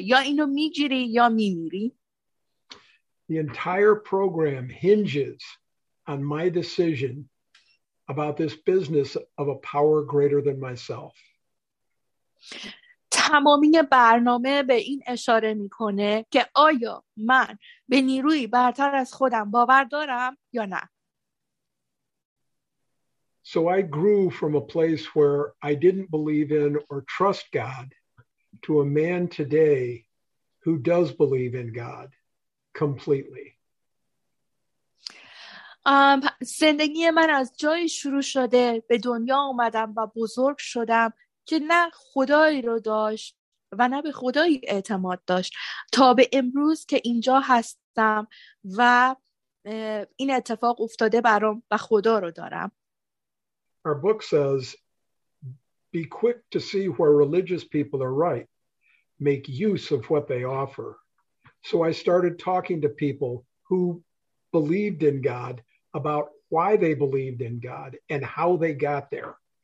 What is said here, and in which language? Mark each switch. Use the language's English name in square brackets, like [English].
[Persian] یا اینو میگیری یا میمیری. [English] The entire program hinges on my decision about this business of a power greater than myself. [Persian] تمامی برنامه به این اشاره میکنه که آیا من به نیروی برتر از خودم باور دارم یا نه. [English] So I grew from a place where I didn't believe in or trust God to a man today who does believe in God. Completely. [Persian] زندگی من از جایی شروع شده به دنیا اومدم و بزرگ شدم که نه خدایی رو داشت و نه به خدایی اعتماد داشت تا به امروز که اینجا هستم و این اتفاق افتاده برام و خدا رو دارم. [English] Our book says be quick to see where religious people are right. Make use of what they offer. So I started talking to people who believed in God about why they believed in God and how they got there.